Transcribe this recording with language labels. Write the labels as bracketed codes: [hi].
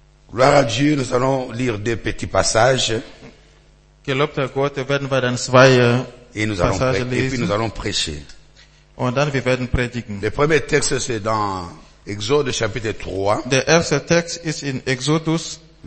[fr] Gloire à Dieu, nous allons lire deux petits passages. [de] Gelobt sei Gott, werden wir dann zwei Passagen lesen. [fr] Et puis nous allons prêcher. [de] Und dann wir werden predigen. [fr] Le premier texte c'est dans Exode chapitre 3. [de] Der erste Text ist in Exodus